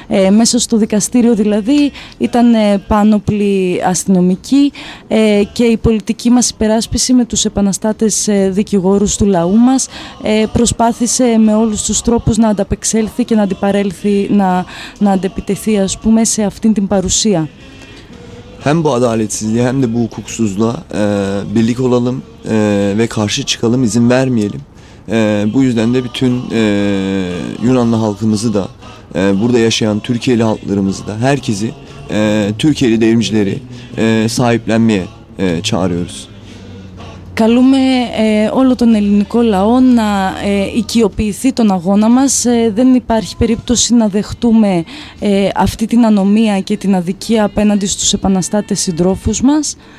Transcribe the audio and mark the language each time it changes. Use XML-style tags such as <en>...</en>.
<el>Μέσα στο δικαστήριο δηλαδή ήταν πάνοπλοι αστυνομικοί και η πολιτική μας υπεράσπιση με τους επαναστάτες δικηγόρους του λαού μας προσπάθησε με όλους τους τρόπους να ανταπεξέλθει και να αντιπαρέλθει, να αντεπιτεθεί ας πούμε σε αυτή.</el> <tr>Hem bu adaletsizliğe hem de bu hukuksuzluğa birlik olalım ve karşı çıkalım, izin vermeyelim. Bu yüzden de bütün Yunanlı halkımızı da, burada yaşayan Türkiye'li halklarımızı da, herkesi, Türkiye'li devrimcileri sahiplenmeye çağırıyoruz.</tr> <el>Καλούμε όλο τον ελληνικό λαό να οικειοποιηθεί τον αγώνα μας. Δεν υπάρχει περίπτωση να δεχτούμε αυτή την ανομία και την αδικία απέναντι στους επαναστάτες συντρόφους μας.</el>